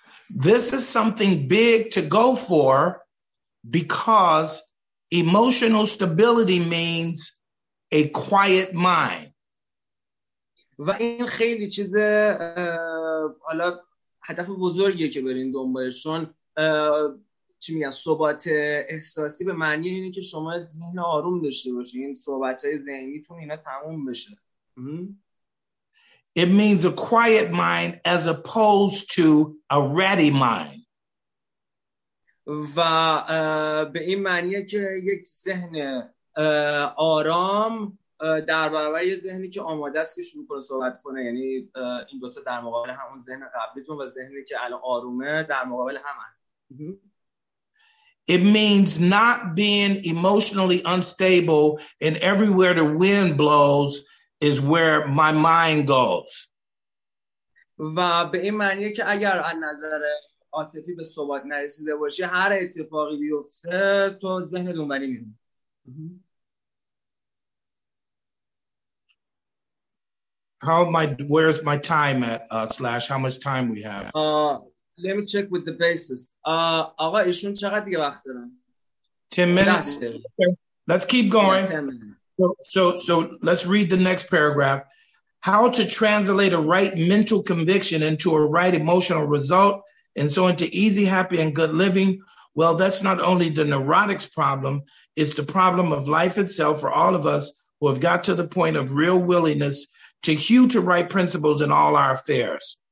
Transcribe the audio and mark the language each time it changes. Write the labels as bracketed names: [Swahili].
[English] This is something big to go for because emotional stability means a quiet mind. [Persian] و این خیلی چیز حالا هدف بزرگیه که برین دنبالش چون چی میگن ثبات احساسی به معنی اینه که شما ذهن آروم داشته باشین، ثبات‌های ذهنیتون اینا تموم بشه. [English] It means a quiet mind as opposed to a ready mind. [Persian] و به این معنیه که یک ذهن آرام در برابر یه ذهنی که آماده است که شروع کنه صحبت کنه، یعنی این دوتا در مقابل همون ذهن قبلیتون و ذهنی که الان آرومه در مقابل همان. [English] It means not being emotionally unstable and everywhere the wind blows is where my mind goes. [Persian] و به این معنیه که اگر از نظر عاطفی به ثبات نرسیده باشی هر اتفاقی بیفته تو ذهن دونبری میمونی. [English] How my where's my time at slash how much time we have? Let me check with the basis. [Persian] آقا ایشون چقدر دیگه وقت دارن؟ [English] 10 minutes. Okay. Let's keep going. So let's read the next paragraph. How to translate a right mental conviction into a right emotional result and so into easy, happy, and good living, well, that's not only the neurotics problem, it's the problem of life itself for all of us who have got to the point of real willingness to hew to right principles in all our affairs.